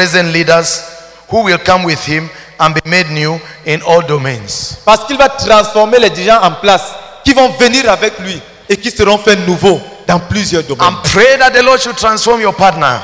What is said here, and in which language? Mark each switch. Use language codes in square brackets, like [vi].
[en] New leaders, and be made new in all domains. [fr] Parce qu'il va transformer les dirigeants en place qui vont venir avec lui et qui seront faits nouveaux dans plusieurs domaines. [en] And pray that the Lord should transform your partner.